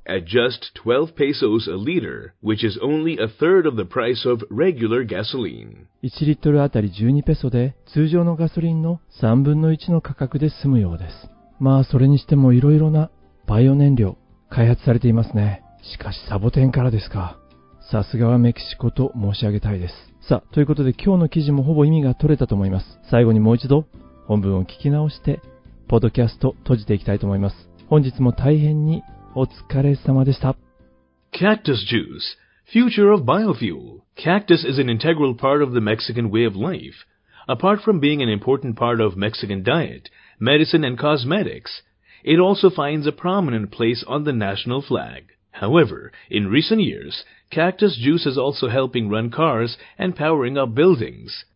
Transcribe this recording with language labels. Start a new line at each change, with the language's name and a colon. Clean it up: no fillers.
English: At just 12 pesos a liter, which is only a third of the price of regular gasoline.
Japanese: 1リットルあたり12ペソで、通常のガソリンの3分の1の価格で済むようです。まあ、それにしてもいろいろなバイオ燃料、開発されていますね。しかしサボテンからですか。さすがはメキシコと申し上げたいです。さあ、ということで今日の記事もほぼ意味が取れたと思います。最後にもう一度、本文を聞き直して、ポッドキャスト閉じていきたいと思います。本日も大変にお疲れ様でした。
English: Cactus juice, future of biofuel. Cactus is an integral part of the Mexican way of life. Apart from being an important part of Mexican diet, medicine and cosmetics, it also finds a prominent place on the national flag. However, in recent years, cactus juice is also helping run cars and powering up buildings.